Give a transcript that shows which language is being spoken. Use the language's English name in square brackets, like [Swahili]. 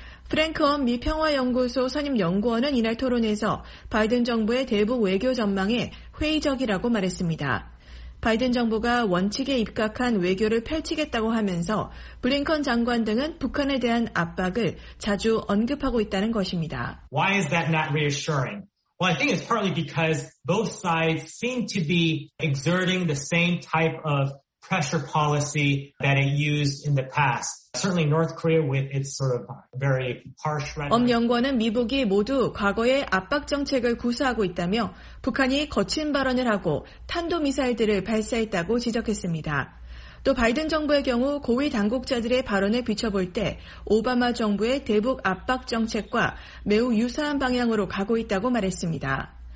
[Korean] 프랭크 엄 미 평화연구소 선임 연구원은 이날 토론에서 바이든 정부의 대북 외교 전망에 회의적이라고 말했습니다. 바이든 정부가 원칙에 입각한 외교를 펼치겠다고 하면서 블링컨 장관 등은 북한에 대한 압박을 자주 언급하고 있다는 것입니다. [English] Why is that not reassuring? Well, I think it's partly because both sides seem to be exerting the same type of pressure policy that it used in the past. Certainly North Korea with its sort of very harsh rhetoric. [Korean] 엄 연구원은 미국이 모두 과거의 압박 정책을 구사하고 있다며 북한이 거친 발언을 하고 탄도미사일들을 발사했다고 지적했습니다. 또 바이든 정부의 경우 고위 당국자들의 발언에 비춰볼 때 오바마 정부의 대북 압박 정책과 매우 유사한 방향으로 가고 있다고 말했습니다.